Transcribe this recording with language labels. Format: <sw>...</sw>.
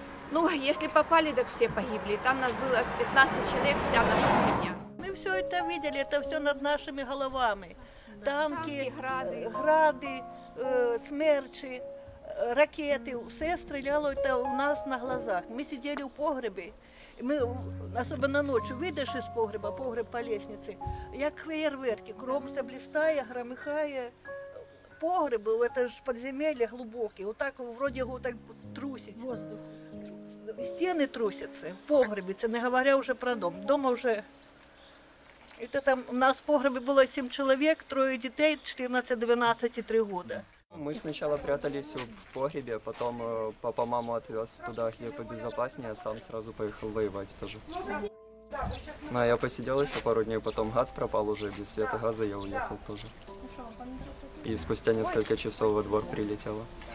<ru>Ну, если попали, так все погибли. Там нас было 15 человек, вся наша семья. Мы все это видели, это все над нашими головами. Танки, танки, гради, гради, смерчи, ракети, все стреляло это у нас на глазах. Мы сидели в погребе.</ru> <uk>Ми, особливо ночі, вийдеш із погреба, погреб по лестниці, як фейерверки, кром все блістає, громихає. Погреби, це ж підземелля глибокі, отак, вроді, його так трусять.</uk> <ru>Воздух.</ru> <uk>Стіни трусяться, погреби, це не говоря вже про дом. Дома вже, це там, у нас в погребі було 7 чоловік, 3 дітей, 14, 12 і 3 роки.</uk> <ru>Мы сначала прятались в погребе, потом папа маму отвез туда, где побезопаснее, а сам сразу поехал воевать тоже. Ну, а я посидел еще пару дней, потом газ пропал уже, без света газа я уехал тоже. И спустя несколько часов во двор прилетело.</ru>